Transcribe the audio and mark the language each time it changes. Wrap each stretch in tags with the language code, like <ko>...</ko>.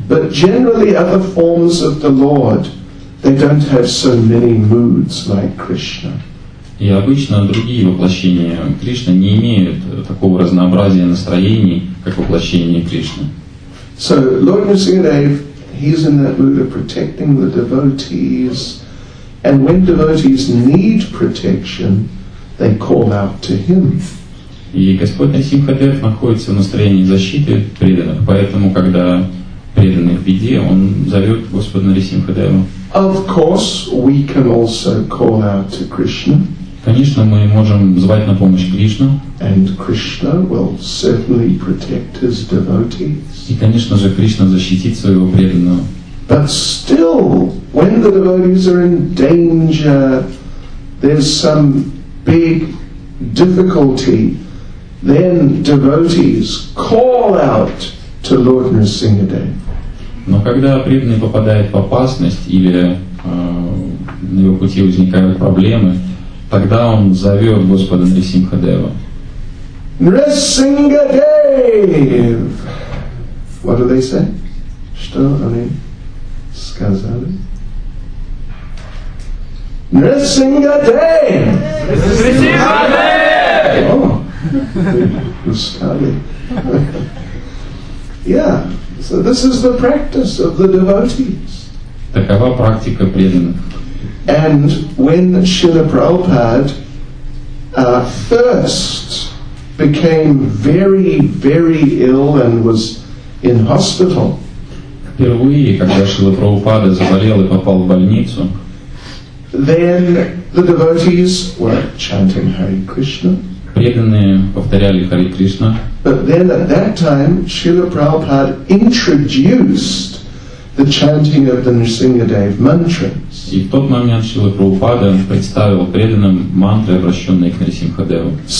<en>But generally other forms of the Lord, they don't have so many moods like Krishna.</en> <ru>И обычно другие воплощения Кришны не имеют такого разнообразия настроений, как воплощение Кришны.</ru> <en>So Lord Nrisimha Dev, he's in that mood of protecting the devotees. And when devotees need protection, they call out to him.</en> <ru>И Господь Нарисимха Дев находится в настроении защиты преданных, поэтому, когда преданный в беде, он зовет Господа Нарисимха Дева.</ru> <en>Of course, we can also call out to Krishna.</en> <ru>Конечно, мы можем звать на помощь Кришну.</ru> <en>And Krishna will certainly protect his devotees.</en> <ru>И, конечно же, Кришна защитит своего преданного.</ru> <en>But still, when the devotees are in danger, there's some big difficulty. Then devotees call out to Lord Nrisimha Dev.</en> <ru>Но когда преданный попадает в опасность или на его пути возникают проблемы, тогда он зовет Господа Нрисимха Дева.</ru> <en>Nrisimha Dev! What do they say?</en> <ru>Что они сказали?</ru> <en>Nrisimha Dev! Nrisimha Dev! Yeah, so this is the practice of the devotees.</en> <ru>Такова практика преданных.</ru> <en>And when Srila Prabhupada first became very, very ill and was in hospital.</en> <ru>Впервые, когда Шрила Прабхупада заболел и попал в больницу,</ru> <en>then the devotees were chanting Hare Krishna.</en> <ru>преданные повторяли Хари Кришна.</ru> <en>But then at that time Srila Prabhupada introduced the chanting of the Nrsingadev mantras.</en> <ru>И в тот момент Шрила Прабхупада представил преданным мантры, обращенные к Нрсингхадеву.</ru>